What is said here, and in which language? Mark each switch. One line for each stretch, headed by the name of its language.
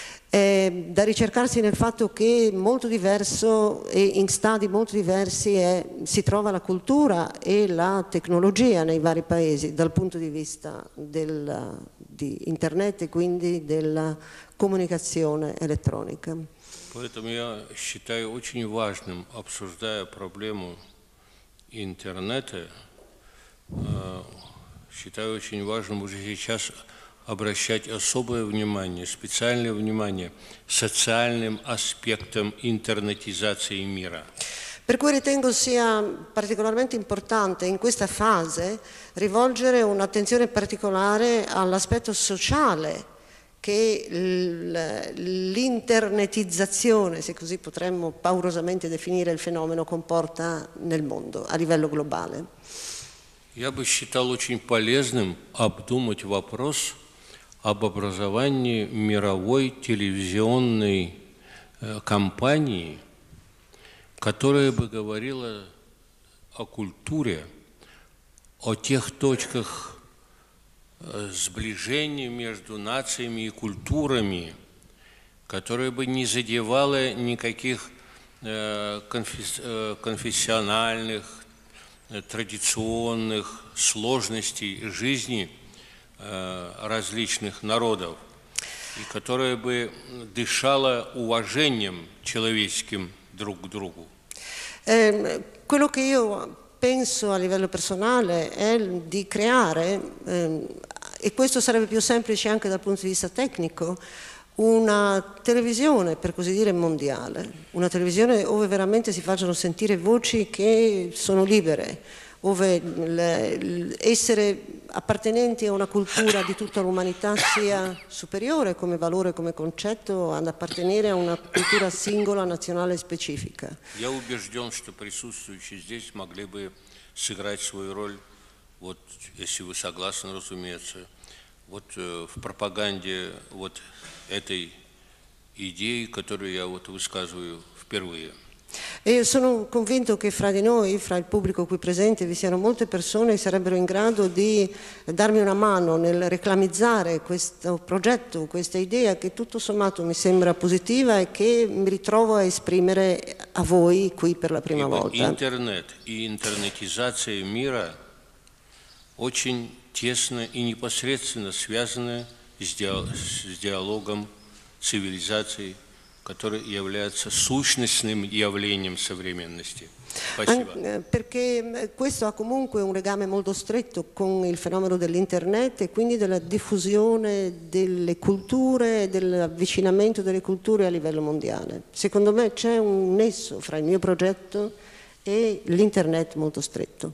Italian: È da ricercarsi nel fatto che molto diverso e in stadi molto diversi si trova la cultura e la tecnologia nei vari paesi dal punto di vista di internet e quindi della comunicazione elettronica.
Russian: Поэтому я считаю очень важным, обсуждая проблему интернета, считаю очень важным уже сейчас обращать особое внимание, специальное внимание социальным аспектам интернетизации мира.
Italian: Per cui ritengo sia particolarmente importante in questa fase rivolgere un'attenzione particolare all'aspetto sociale che l'internetizzazione, se così potremmo paurosamente definire il fenomeno, comporta nel mondo a livello globale.
Russian: Я бы считал очень полезным обдумать вопрос об образовании мировой телевизионной компании, которая бы говорила о культуре, о тех точках сближения между нациями и культурами, которая бы не задевала никаких конфессиональных, традиционных сложностей жизни различных народов, и которая бы дышала уважением человеческим drugu.
Italian: Quello che io penso a livello personale è di creare, e questo sarebbe più semplice anche dal punto di vista tecnico, una televisione, per così dire, mondiale, una televisione dove veramente si facciano sentire voci che sono libere, dove essere appartenenti a una cultura di tutta l'umanità sia superiore come valore, come concetto, ad appartenere a una cultura singola, nazionale, specifica.
Russian: Я убежден, что присутствующие здесь могли бы сыграть свою роль, вот, если вы согласны, разумеется, вот в пропаганде вот этой идеи, которую я вот высказываю впервые.
Italian: E sono convinto che fra di noi, fra il pubblico qui presente, vi siano molte persone che sarebbero in grado di darmi una mano nel reclamizzare questo progetto, questa idea che tutto sommato mi sembra positiva e che mi ritrovo a esprimere a voi qui per la prima volta. Internet e internetizzazione del mondo sono molto tesne e
Russian: непосредственно связаны с диалогом цивилизаций, который является сущностным явлением современности. Спасибо.
Italian: Perché questo ha comunque un legame molto stretto con il fenomeno dell'internet e quindi della diffusione delle culture, dell'avvicinamento delle culture a livello mondiale. Secondo me c'è un nesso fra il mio progetto e l'internet molto stretto.